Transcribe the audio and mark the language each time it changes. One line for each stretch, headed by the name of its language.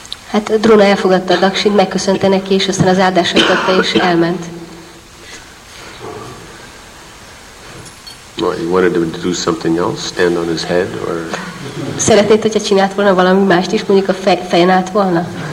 Hungarian: Hát Drona elfogadta a dakshin, megköszönte neki, és aztán az áldását adta, és elment.
English: Well, he wanted him to do something else, stand on his head, or.
Hungarian: Szeretnéd, hogyha csinált volna valami mást is, mondjuk a fején állt volna?